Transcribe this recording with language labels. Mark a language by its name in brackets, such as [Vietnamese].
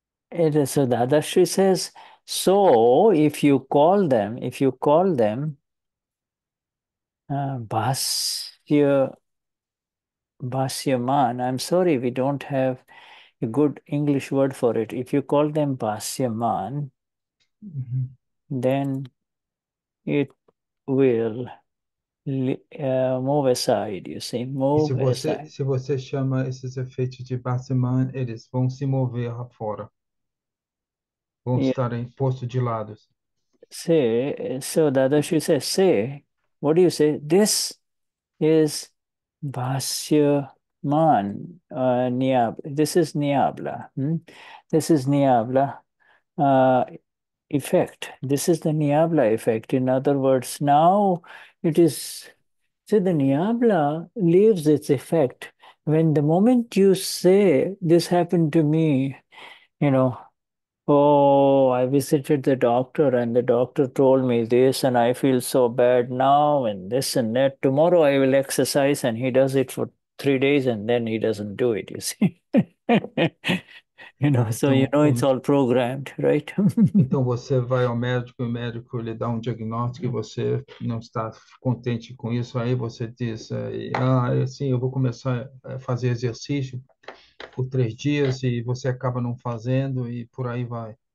[English] It is, so Dadashri says, so if you call them Bhasyaman, I'm sorry, we don't have a good English word for it. If you call them Bhasyaman, then it will move aside, you see, [Portuguese] E [English] move aside. [Portuguese] se você chama esses efeitos de Bassmann, eles vão se mover lá fora. Vão estar em posto de lado. [English] So Dadashi says, say, what do you say? This is Bhasyaman, Niabla. This is Niabla. This is Niabla effect. This is the Niabla effect. In other words, now it is. See, the Niyabla leaves its effect when the moment you say, this happened to me, you know, oh, I visited the doctor and the doctor told me this and I feel so bad now and this and that. Tomorrow I will exercise and he does it for 3 days and then he doesn't do it, you see. You know, so you [Portuguese] Então, [English] know it's all programmed, right? [Portuguese] você vai ao médico e o médico lhe dá um diagnóstico e você não está contente com isso. Aí você diz, assim, eu vou começar a fazer exercício por 3 dias e você acaba não fazendo e por aí vai.